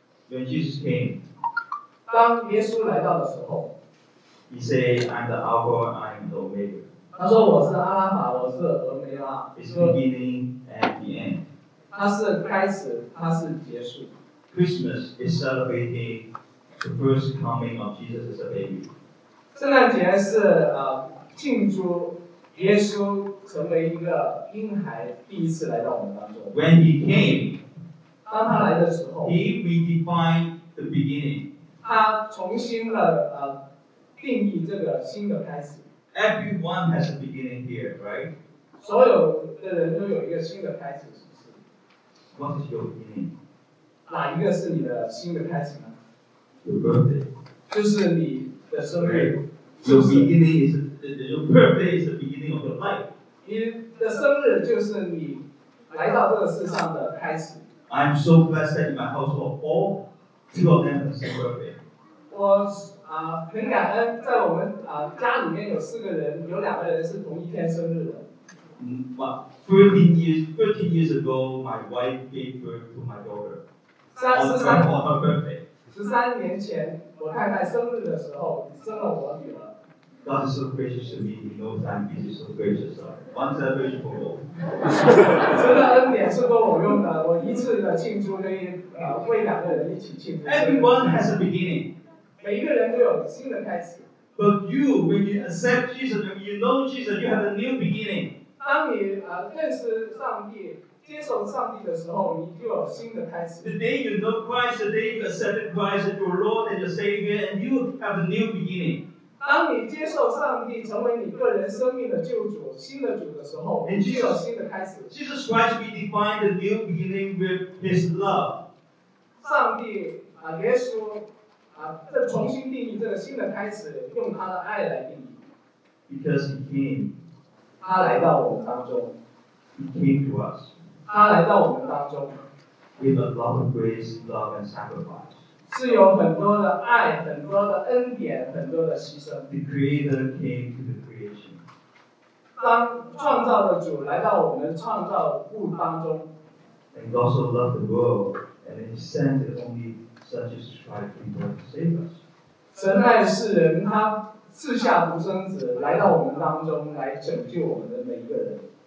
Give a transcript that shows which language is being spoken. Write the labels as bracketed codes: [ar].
[en] When Jesus came, [zh] 当耶稣来到的时候， [en] He said, I'm the Alpha, I'm the Omega. [zh] 他说我是阿拉法，我是俄梅拉。 [en] It's beginning and the end. [zh] 他是开始，他是结束。 [en] Christmas is celebrating the first coming of Jesus as a baby. [zh] 圣诞节是庆祝耶稣成为一个婴孩，第一次来到我们当中。 [en] When he came, [zh] 当他来的时候， [en] he redefined the beginning. [zh] 他重新了定义这个新的开始。 [en] Everyone has a beginning here, right? [zh] 所有的人都有一个新的开始，是不是？ [en] What is your beginning? [zh] 哪一个是你的新的开始呢？ [en] Your birthday. [zh] 就是你的生日。 [en] Right. Your beginning is your birthday is the beginning of your life. [zh] 你的生日就是你来到这个世上的开始。 [en] I'm so blessed that in my household all. Two of them have celebrated. [zh] 我很感恩，在我们家里面有四个人，有两个人是同一天生日的。 [en] 13 years ago, my wife gave birth to my daughter. 13 on her birthday. [zh] 13年前，我太太生日的时候生了我女儿。 [en] God is so gracious to me. He knows I'm busy, so gracious. One celebration for all. [zh] 这个恩典是够我用的。我一次的庆祝可以为两个人一起庆祝。 [en] Everyone has a beginning. [zh] 每一个人都有新的开始。 [en] But you, when you accept Jesus, when you know Jesus, you have a new beginning. [zh] 当你认识上帝、接受上帝的时候，你就有新的开始。 [en] The day you know Christ, the day you accept Christ as your Lord and your Savior, and you have a new beginning. [zh] 当你接受上帝成为你个人生命的救主、新的主的时候，你就有新的开始。 [en] Jesus Christ redefined the new beginning with His love. [zh] 上帝耶稣这重新定义这个新的开始，用他的爱来定义。 [en] Because He came. [zh] 他来到我们当中。 [en] He came to us. [zh] 他来到我们当中。 [en] With a love of grace, love and sacrifice. [zh] 是有很多的爱，很多的恩典，很多的牺牲。 [en] The Creator came to the creation. [zh] 当创造的主来到我们创造物当中。 [en] And God so loved the world, and He sent His only Son Jesus Christ to die to save us. [zh] 神爱世人，他赐下独生子来到我们当中，来拯救我们的每一个人。